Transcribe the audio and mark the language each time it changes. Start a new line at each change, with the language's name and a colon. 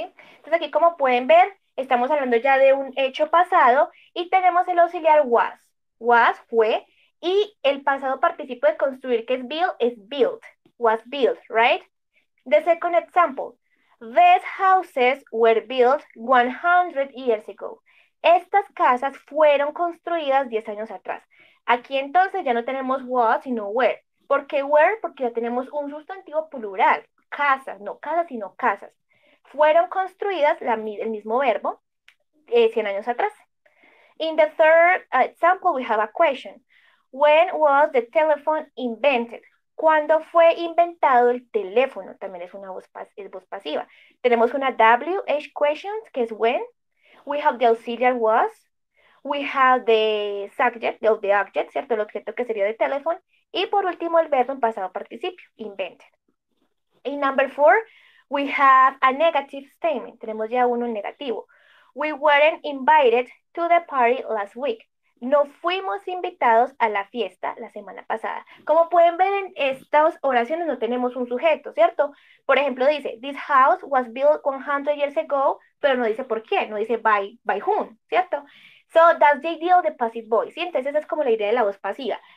Spanish: Entonces aquí como pueden ver, estamos hablando ya de un hecho pasado y tenemos el auxiliar was. Was, fue, y el pasado participio de construir que es build, es built.
English: Was built, right? The second example, these houses were built 100 years ago.
Spanish: Estas casas fueron construidas 10 años atrás. Aquí entonces ya no tenemos was, sino were. ¿Por qué were? Porque ya tenemos un sustantivo plural. Casas, no casas, sino casas. Fueron construidas, el mismo verbo, 100 años atrás.
English: In the third example, we have a question. When was the telephone invented?
Spanish: ¿Cuándo fue inventado el teléfono? También es una voz pasiva. Tenemos una WH question, que es when.
English: We have the auxiliary was, we have the subject, the object,
Spanish: ¿cierto? El objeto que sería de teléfono. Y por último, el verbo en pasado participio, invented.
English: In number four, we have a negative statement.
Spanish: Tenemos ya uno en negativo.
English: We weren't invited to the party last week.
Spanish: No fuimos invitados a la fiesta la semana pasada. Como pueden ver, en estas oraciones no tenemos un sujeto, ¿cierto? Por ejemplo, dice,
English: this house was built 100 years ago,
Spanish: pero no dice por qué, no dice
English: by whom,
Spanish: ¿cierto?
English: So, that's the idea of the passive voice,
Spanish: ¿sí? Entonces, esa es como la idea de la voz pasiva.